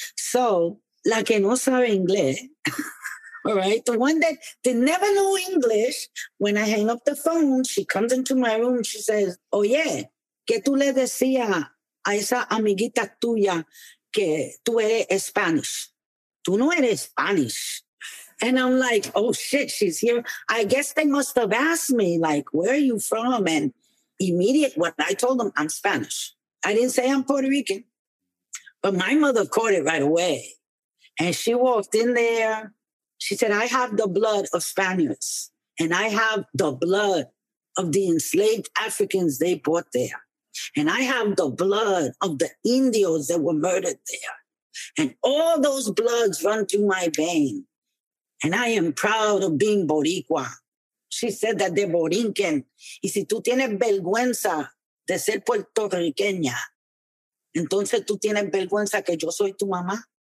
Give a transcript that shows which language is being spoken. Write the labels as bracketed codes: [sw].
[es] So, la que no sabe inglés, [en] all right? The one that they never knew English, when I hang up the phone, she comes into my room. She says, [es] oye, ¿qué tú le decías a esa amiguita tuya que tú eres Spanish? Tú no eres Spanish. [en] And I'm like, oh, shit, she's here. I guess they must have asked me, like, where are you from? And immediate, what I told them, I'm Spanish. I didn't say I'm Puerto Rican. But my mother caught it right away. And she walked in there. She said, I have the blood of Spaniards. And I have the blood of the enslaved Africans they brought there. And I have the blood of the Indios that were murdered there. And all those bloods run through my veins. And I am proud of being Boricua. She said that they're Borinquen. [es] Y si tú tienes vergüenza de ser puertorriqueña, entonces tú tienes vergüenza que yo soy tu mamá.